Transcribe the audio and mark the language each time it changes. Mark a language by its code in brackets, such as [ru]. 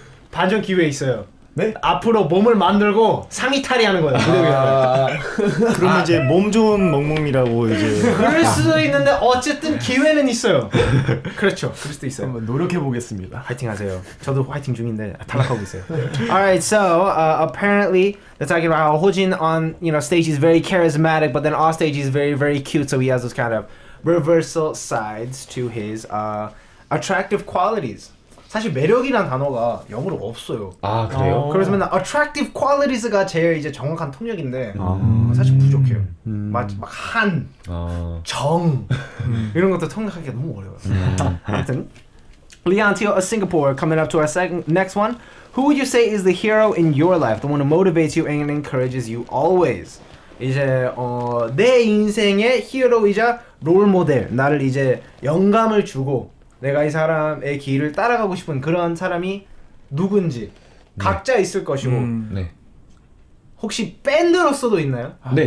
[ko] 반전 기회 있어요. 네? 앞으로 몸을 만들고 상의 탈의 하는 거야. 그러면 아, 이제 몸 좋은 멍멍이라고 이제 그럴 수도 있는데 어쨌든 기회는 있어요. 그렇죠. 그럴 수도 있어요. 한번 노력해 보겠습니다. 화이팅 하세요. 저도 화이팅 중인데 탈락하고 있어요. [en] Alright, so apparently they're talking about how Hojin on you know stage is very charismatic, but then off stage is very very cute. So he has those kind of reversal sides to his attractive qualities. [ko] 사실 매력이란 단어가 영어로 없어요. 아 그래요? 그래서 맨날 [en] attractive qualities [ko] 가 제일 이제 정확한 통역인데 사실 부족해요. 막 한, 정 이런 것도 통역하기가 너무 어려워요. [en] 아무튼 Leon Teo of Singapore coming up to our next one. Who would you say is the hero in your life? The one who motivates you and encourages you always? [ko] 이제 내 인생의 히어로이자 롤모델 나를 이제 영감을 주고 내가 이 사람의 길을 따라가고 싶은 그런 사람이 누군지 네. 각자 있을 것이고 네. 혹시 밴드로서도 있나요? 아, 네,